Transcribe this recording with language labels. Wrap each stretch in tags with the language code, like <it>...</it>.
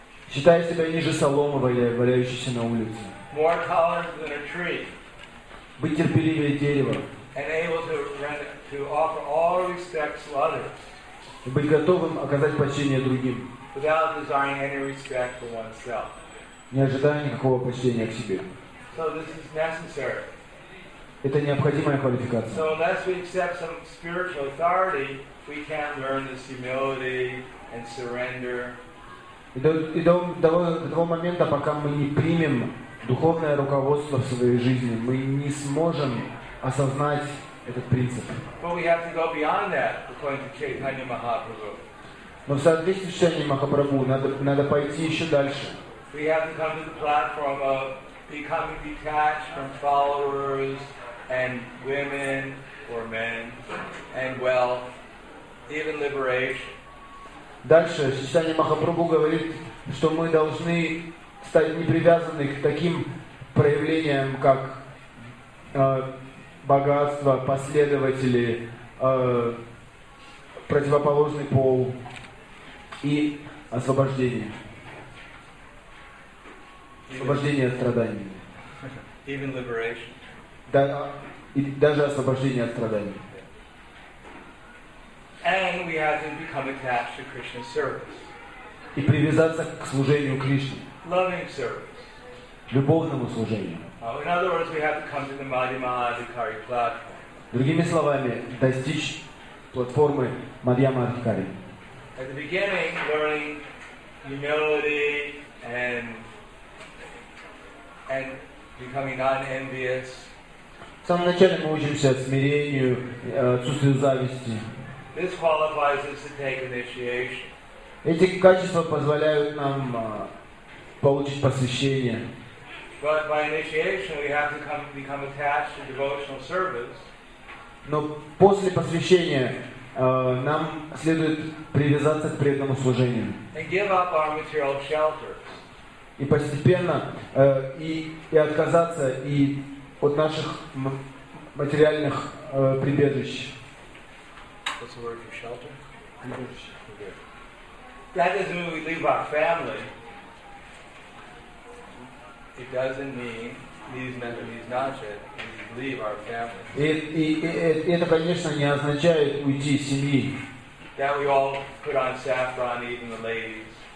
<ru>Считая себя ниже соломы, валяющейся на улице.</ru> <en>More tolerant than a tree.</en> <ru>Быть терпеливее дерева.</ru> <en>And able to offer all respects to others.</en> <ru>И быть готовым оказать почтение другим.</ru> <en>Without desiring any respect for oneself.</en> <ru>Не ожидая никакого почтения к себе.</ru> <en>So this is necessary.</en> <ru>Это необходимая квалификация.</ru> <en>So unless we accept some spiritual authority, we can't learn this humility and surrender.</en> <ru>И до того момента, пока мы не примем духовное руководство в своей жизни, мы не сможем осознать этот принцип.</ru> <en>But we have to go beyond that, according to Chaitanya Mahaprabhu.</en> <ru>Но в соответствии с Чайтанья Махапрабху надо пойти еще дальше.</ru> <en>We have to come to the platform of becoming detached from followers and women or men and wealth, even liberation.</en> <ru>Дальше Чайтанья Махапрабху говорит, что мы должны стать не привязаны к таким проявлениям, как богатство, последователи, противоположный пол и освобождение. Освобождение от страданий.</ru> <en>Even liberation.</en> <ru>Да, и даже освобождение от страданий.</ru> <en>And we have to become attached to Krishna's service.</en> <ru>И привязаться к служению Кришне.</ru> <en>Loving service.</en> <ru>Любовному служению.</ru> <en>In other words, we have to come to the Madhyama Adhikari platform.</en> <ru>Другими словами, достичь платформы Мадьяма Адхикари.</ru> <en>At the beginning, learning humility and becoming non-envious.</en> <ru>В самом начале мы учимся смирению, отсутствию зависти.</ru> <en>This qualifies us to take initiation.</en> <ru>Эти качества позволяют нам получить посвящение.</ru> <en>But by initiation, we have to become attached to devotional service.</en> <ru>Но после посвящения нам следует привязаться к преданному служению.</ru> <en>And give up our material shelters.</en> <ru>И постепенно и отказаться и от наших материальных прибежищ.</ru> <en>What's the word for shelter? That doesn't mean we leave our family. It doesn't mean these notches, we leave our family.</en> <ru>Это, конечно, не означает уйти из семьи.</ru> <en>That we all put on saffron, even the ladies.</en>